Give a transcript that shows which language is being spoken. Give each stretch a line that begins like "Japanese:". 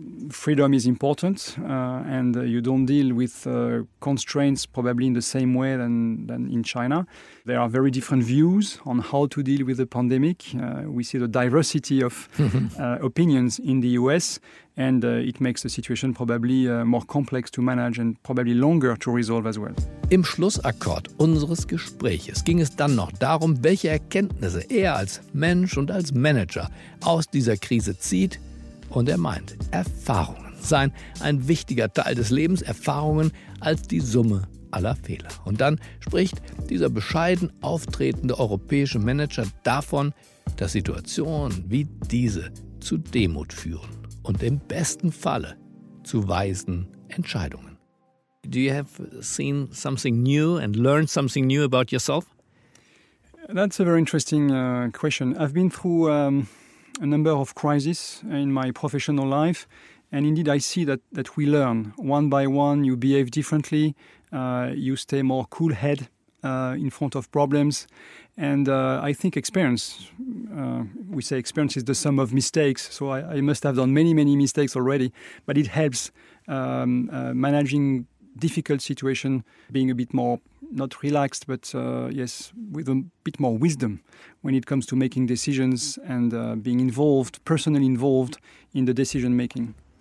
English: freedom is important, and you don't deal with constraints probably in the same way than in China. There are very different views on how to deal with the pandemic. We see the diversity of opinions in the US, and it makes the situation probably more complex to manage and probably longer to resolve as well.
German: Im Schlussakkord unseres Gespräches ging es dann noch darum, welche Erkenntnisse er als Mensch und als Manager aus dieser Krise zieht. Und er meint, Erfahrungen seien ein wichtiger Teil des Lebens, Erfahrungen als die Summe aller Fehler. Und dann spricht dieser bescheiden auftretende europäische Manager davon, dass Situationen wie diese zu Demut führen und im besten Falle zu weisen Entscheidungen.
English: Do you have seen something new and learned something new about yourself? That's a very interesting question. I've been through a number of crises in my professional life, and indeed I see that we learn one by one. You behave differently, you stay more cool head in front of problems, and I think experience, we say experience is the sum of mistakes, so I must have done many mistakes already, but it helps managing difficult situation, being a bit more not relaxed, but yes, with a bit more wisdom when it comes to making decisions and being involved, personally involved in the decision making.